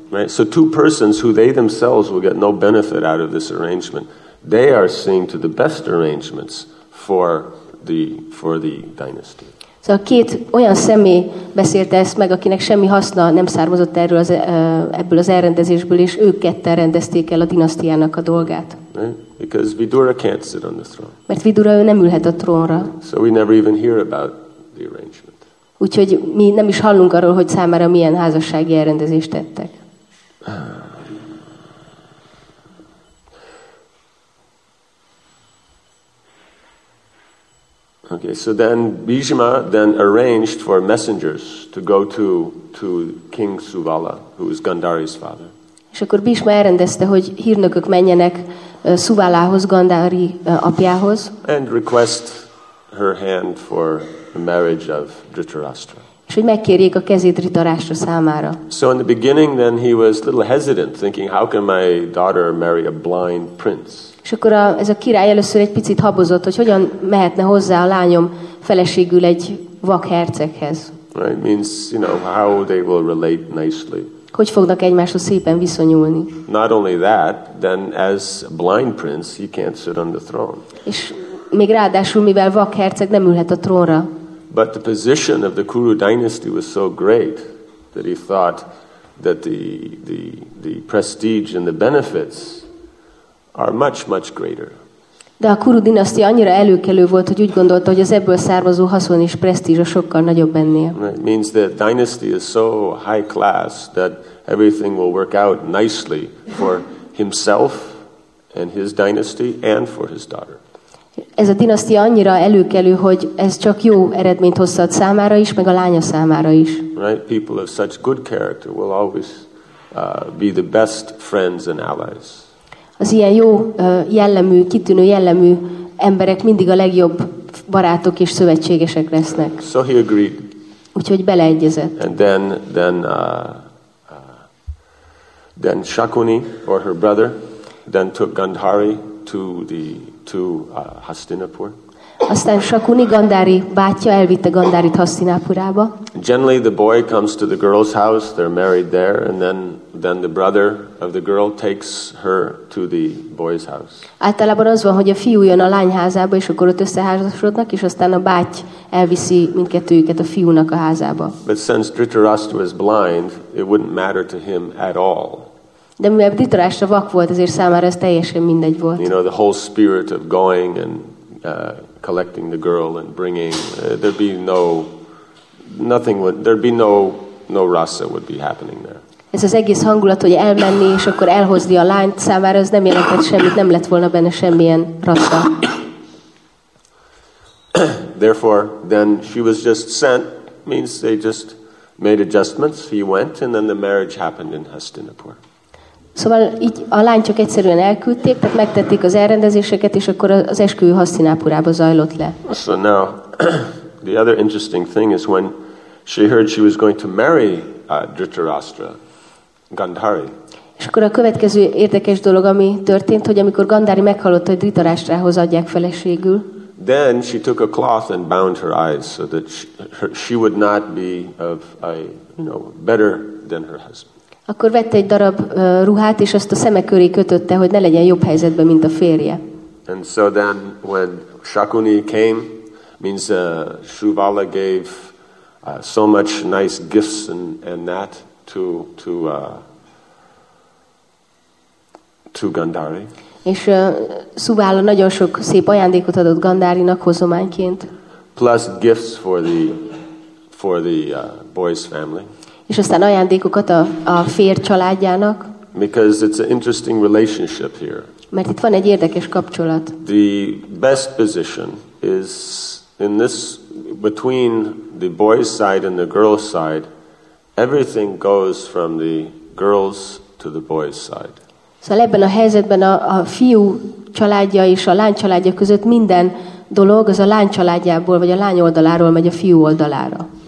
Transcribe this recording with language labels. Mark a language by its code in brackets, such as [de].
[en] Right. So two persons who they themselves will get no benefit out of this arrangement, they are seeing to the best arrangements for the dynasty. [hu] Szóval két olyan személy beszélte ezt meg, akinek semmi haszna nem származott erről ebből az elrendezésből, és ők ketten rendezték el a dinasztiának a dolgát. [en] Because Vidura can't sit on the throne. [hu] Mert Vidura ő nem ülhet a trónra. [en] So we never even hear about the arrangement. [hu] Úgyhogy mi nem is hallunk arról, hogy számára milyen házassági elrendezést tettek. [en] Okay, so then Bhishma then arranged for messengers to go to King Suvala, who is Gandhari's father. [hu] És akkor Bhishma elrendezte, hogy hírnökök menjenek Suvalához, Gandhari apjához. [en] And request her hand for the marriage of Dhritarashtra. [hu] És hogy megkérjék a kezét Dhritarashtra számára. [en] So in the beginning then he was a little hesitant, thinking, how can my daughter marry a blind prince? [hu] És akkor ez a király először egy picit habozott, hogy hogyan mehetne hozzá a lányom feleségül egy vak herceghez. [en] Right? Means, you know, how they will relate nicely. [hu] Hogy fognak egymáshoz szépen viszonyulni. [en] Not only that, then as blind prince, he can't sit on the throne. [hu] És még ráadásul, mivel vak herceg, nem ülhet a trónra. [en] But the position of the Kuru dynasty was so great that he thought that the prestige and the benefits are much, much greater. [hu] De a Kuru dinasztia annyira előkelő volt, hogy úgy gondolta, hogy az ebből származó haszon és presztízs sokkal nagyobb ennél. [en] It means that dynasty is so high class that everything will work out nicely for himself and his dynasty and for his daughter. [hu] Ez a dinasztia annyira előkelő, hogy ez csak jó eredményt hozhat számára is, meg a lánya számára is. [en] Right? People of such good character will always be the best friends and allies. [hu] Az ilyen jó jellemű, kitűnő jellemű emberek mindig a legjobb barátok és szövetségesek lesznek. [en] So he agreed. [hu] Úgyhogy beleegyezett. [en] And then Shakuni or her brother then took Gandhari to Hastinapur. [hu] Aztán Shakuni Gandhari bátyja elvitte Gandharit Hastinapurába. [en] Generally the boy comes to the girl's house, they're married there, and then the brother of the girl takes her to the boy's house. [hu] Általában az van, hogy a fiú jön a lányházába, és akkor ott összeházasodnak, és aztán a báty elviszi mindkettőjüket a fiúnak a házába. [en] But since Dhritarashtra was blind, it wouldn't matter to him at all. [hu] De mivel Dhritarashtra vak volt, azért számára ez teljesen mindegy volt. [en] You know, the whole spirit of going and collecting the girl and bringing there'd be no rasa would be happening there. [hu] Ez az egész hangulat, hogy elmenni és akkor elhozni a lányt, számára ez nem jelentett semmit, nem lett volna benne semmilyen rasa. [en] Therefore then she was just sent, means they just made adjustments, he went, and then the marriage happened in Hastinapur. [hu] Szóval így a lány csak egyszerűen elküldték, tehát megtették az elrendezéseket, és akkor az esküvő Hasztinápurába zajlott le. [en] So now, the other interesting thing is when she heard she was going to marry Dhritarashtra, Gandhari. [hu] És akkor a következő érdekes dolog, ami történt, hogy amikor Gandhari meghallotta, hogy Dhritarashtrához adják feleségül. [en] Then she took a cloth and bound her eyes so that she would not be of a, you know, better than her husband. [hu] Akkor vette egy darab ruhát, és azt a szemek köré kötötte, hogy ne legyen jobb helyzetben, mint a férje. [en] And so then, when Shakuni came, means Shuvala gave so much nice gifts and that to Gandhari. [hu] És Shuvala nagyon sok szép ajándékot adott Gandharinak hozományként. [en] Plus gifts for the boy's family. [hu] És aztán ajándékokat a fér családjának. [en] Because it's an interesting relationship here. [hu] Mert itt van egy érdekes kapcsolat. [en] The best position is in this, between the boy's side and the girl's side, everything goes from the girl's to the boy's side. [hu] Szóval ebben a helyzetben a fiú családja és a lány családja között minden dolog az a lány családjából, vagy a lány oldaláról megy a fiú oldalára.